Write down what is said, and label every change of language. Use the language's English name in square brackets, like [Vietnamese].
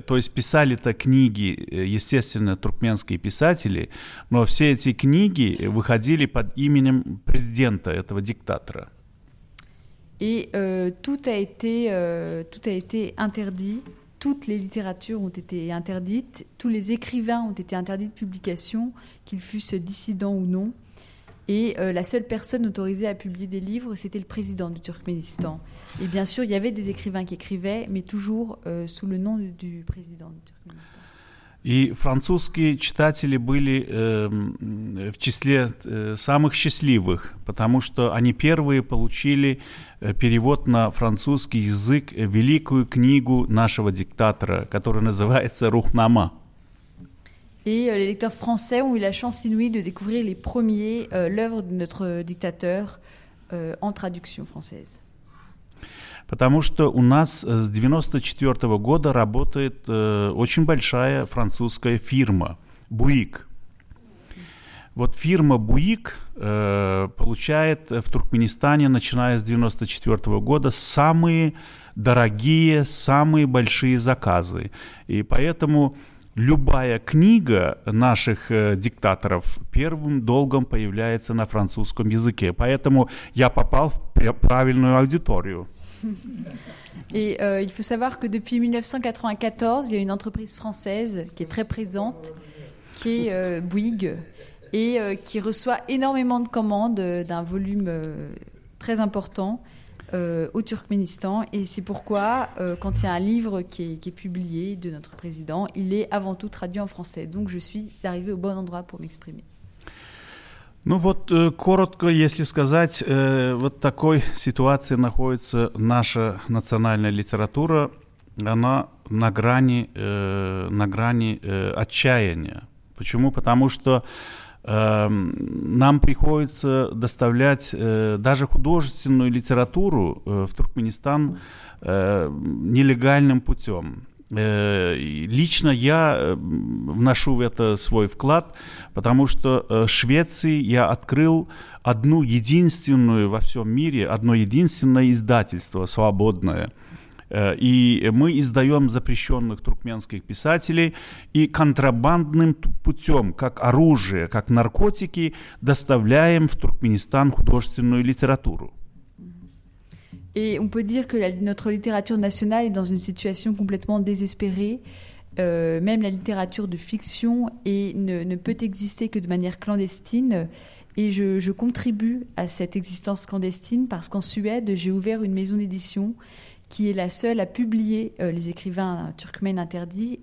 [Russian] То есть писали-то книги, естественно, туркменские писатели, но все эти книги выходили под именем президента, этого диктатора. [French] Et tout a été interdit. Toutes les littératures ont été interdites. Tous les écrivains ont été interdits de publication, qu'ils fussent dissidents ou non. Et la seule personne autorisée à publier des livres, c'était le président du Turkménistan. Et bien sûr, il y avait des écrivains qui écrivaient, mais toujours sous le nom du président du Turkménistan. [Russian] И французские читатели были в числе самых счастливых, потому что они первые получили перевод на французский язык великую книгу нашего диктатора, которая называется «Рухнама». [French] Et les lecteurs français ont eu la chance inouïe de découvrir les premiers l'œuvre de notre dictateur en traduction française. [Russian] Потому что у нас с 94 года работает очень большая французская фирма «Буик». Вот фирма «Буик» получает в Туркменистане, начиная с 94 года, самые дорогие, самые большие заказы. И поэтому любая книга наших диктаторов первым долгом появляется на французском языке. Поэтому я попал в правильную аудиторию. [French] Et il faut savoir que depuis 1994, il y a une entreprise française qui est très présente, qui est Bouygues, et qui reçoit énormément de commandes d'un volume très important au Turkménistan. Et c'est pourquoi, quand il y a un livre qui est publié de notre président, il est avant tout traduit en français. Donc je suis arrivée au bon endroit pour m'exprimer. [Russian] Ну вот, коротко, если сказать, вот в такой ситуации находится наша национальная литература. Она на грани отчаяния. Почему? Потому что нам приходится доставлять даже художественную литературу в Туркменистан нелегальным путем. Лично я вношу в это свой вклад, потому что в Швеции я открыл одну единственную во всем мире, одно единственное издательство свободное. И мы издаем запрещенных туркменских писателей и контрабандным путем, как оружие, как наркотики, доставляем в Туркменистан художественную литературу. [French] Et on peut dire que notre littérature nationale est dans une situation complètement désespérée. Même la littérature de fiction est, ne peut exister que de manière clandestine. Et je contribue à cette existence clandestine parce qu'en Suède, j'ai ouvert une maison d'édition qui est la seule à publier les écrivains turkmènes interdits.